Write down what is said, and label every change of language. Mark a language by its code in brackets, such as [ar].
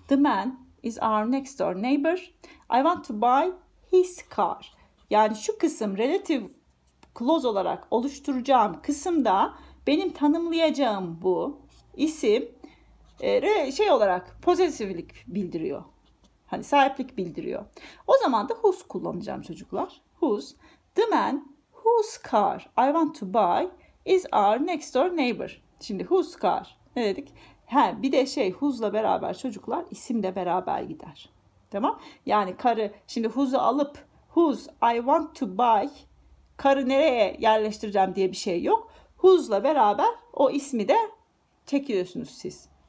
[en] The man is our next door neighbor. I want to buy his car. [tr] Yani şu kısım relative clause olarak oluşturacağım kısımda benim tanımlayacağım bu isim şey olarak pozitiflik bildiriyor. Hani sahiplik bildiriyor. O zaman da whose kullanacağım çocuklar. Whose. [en] The man whose car I want to buy is our next door neighbor. [tr] Şimdi whose car ne dedik? He, bir de şey whose'la beraber çocuklar isim de beraber gider. Tamam. Yani karı şimdi whose'u alıp [en] whose I want to buy [tr] karı nereye yerleştireceğim diye bir şey yok. Whose'la beraber o ismi de çekiyorsunuz siz.